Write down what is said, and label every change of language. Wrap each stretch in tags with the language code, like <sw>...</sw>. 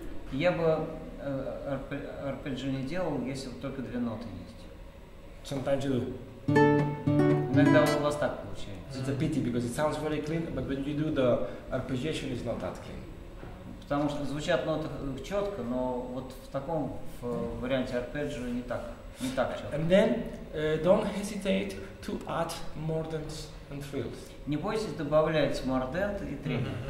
<ru>Я бы арпеджио не делал, если бы только две ноты есть.</ru> <en>Sometimes you do.</en> <ru>Иногда у вас так получается.</ru> <en>It's a pity because it sounds very clean, but when you do the arpeggiation, it's not that clean.</en> <ru>Потому что звучат ноты четко, но вот в таком варианте арпеджио не так четко.</ru> <en>And then don't hesitate to add mordents and trills.</en> <ru>Не бойтесь добавлять мордент и трилл.</ru>